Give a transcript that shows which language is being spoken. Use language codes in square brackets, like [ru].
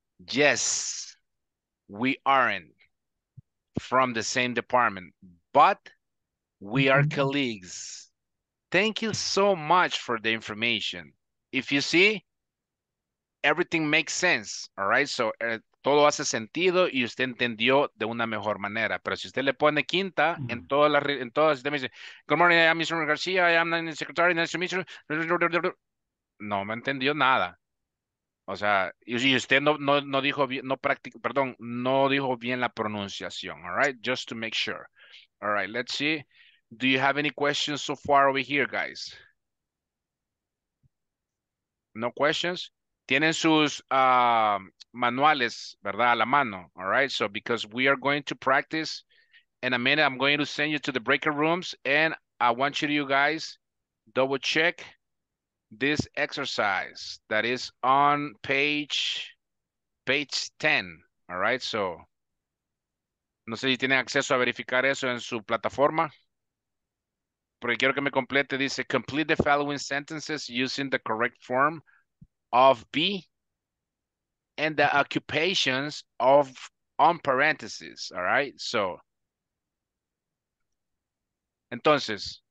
[en] Yes, we aren't from the same department, but we are colleagues. Thank you so much for the information. If you see, everything makes sense, all right? [es] So, todo hace sentido y usted entendió de una mejor manera. Pero si usted le pone quinta, en todas, usted me dice, [en] good morning, I am Mr. Garcia, I am the secretary, nice to meet you. [es] No me entendió nada. O sea, y usted no dijo bien la pronunciación, all right? [en] Just to make sure. All right, let's see. Do you have any questions so far over here, guys? No questions? [es] Tienen sus manuales, ¿verdad? A la mano. All right. [en] So, because we are going to practice in a minute, I'm going to send you to the breakout rooms and I want you guys double check this exercise that is on page 10. All right. [es] So, no sé si tienen acceso a verificar eso en su plataforma. Porque quiero que me complete, dice, [en] complete the following sentences using the correct form of be and the occupations of on parentheses, all right? So, entonces,